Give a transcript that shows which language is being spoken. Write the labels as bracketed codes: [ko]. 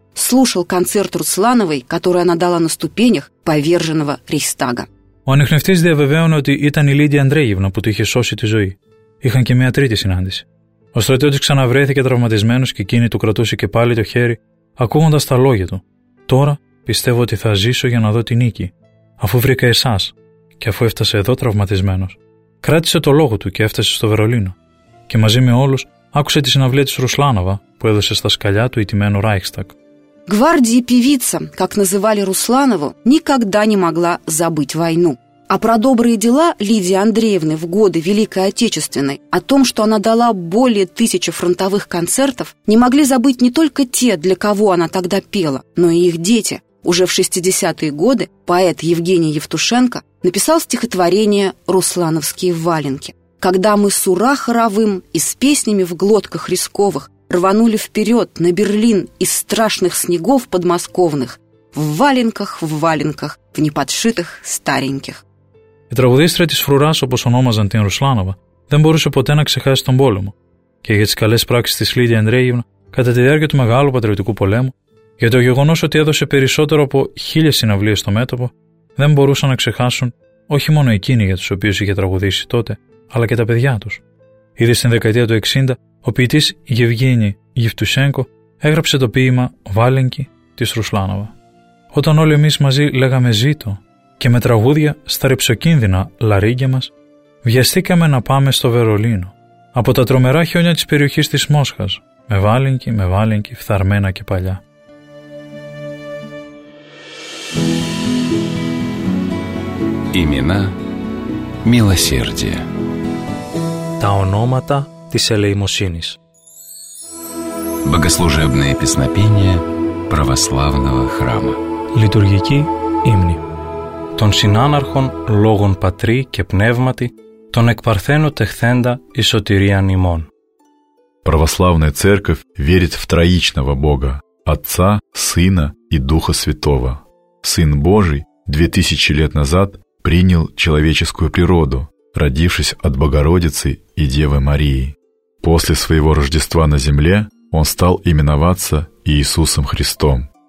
[ru] слушал концерт Руслановой, который она дала на ступенях поверженного Рейхстага. [el] Ο ανιχνευτής διαβεβαίωνε ότι ήταν η Λίδια Ανδρέγευνα που του είχε σώσει τη ζωή. Είχαν και μια τρίτη συνάντηση. Ο στρατιώτης ξαναβρέθηκε τραυματισμένος και εκείνη του κρατούσε και πάλι το χέρι, ακούγοντας τα λόγια του. «Τώρα πιστεύω ότι θα ζήσω για να δω τη νίκη, αφού βρήκα εσάς και αφού έφτασε εδώ τραυματισμένος». Κράτησε το λόγο του και έφτασε στο Βερολίνο. Και μαζί με όλους άκουσε τη συναυλία της Ρουσλάνοβα που έδωσε στα σκαλιά του ηττημένου Ράιχσταγκ. [ru] Гвардии певица, как называли Русланову, никогда не могла забыть войну. А про добрые дела Лидии Андреевны в годы Великой Отечественной, о том, что она дала более 1000 фронтовых концертов, не могли забыть не только те, для кого она тогда пела, но и их дети. Уже в 60-е годы поэт Евгений Евтушенко написал стихотворение «Руслановские валенки». «Когда мы с ура хоровым и с песнями в глотках рисковых рванули вперед на Берлин из страшных снегов подмосковных, в валенках, в неподшитых стареньких». [el] Η τραγουδίστρια της Φρουράς, όπως ονόμαζαν την Ρουσλάνοβα, δεν μπορούσε ποτέ να ξεχάσει τον πόλεμο και για τις καλές πράξεις της Λίδια Ανδρέγευνα κατά τη διάρκεια του Μεγάλου Πατριωτικού Πολέμου, για το γεγονός ότι έδωσε περισσότερο από 1000 συναυλίες στο μέτωπο, δεν μπορούσαν να ξεχάσουν όχι μόνο εκείνοι για τους οποίους είχε τραγουδήσει τότε, αλλά και τα παιδιά τους. Ήδη στην δεκαετία του 60, ο ποιητής Γευγένη Γιφτουσένκο έγραψε το ποίημα «Βάλενκι» της Ρουσλάνοβα. Όταν όλοι εμείς μαζί λέγαμε «Ζήτω» και με τραγούδια στα ρυψοκίνδυνα λαρίγκια μας, βιαστήκαμε να πάμε στο Βερολίνο, από τα τρομερά χιόνια της περιοχής της Μόσχας, με βάλενκι, φθαρμένα και παλιά. [ru] Имена милосердия. [el] Τα ονόματα της ελεημοσύνης. [ru] Богослужебные песнопения православного храма. [el] Λειτουργική ύμνη. Των συνάναρχων λόγων πατρί και πνεύματι, των εκπαρθένων τεχθέντα η σωτηρία νημών. [ru] Православная церковь верит в троичного Бога, Отца, Сына и Духа Святого. Сын Божий 2000 лет назад принял человеческую природу, родившись от Богородицы и Девы Марии. После своего Рождества на земле он стал именоваться Иисусом Христом.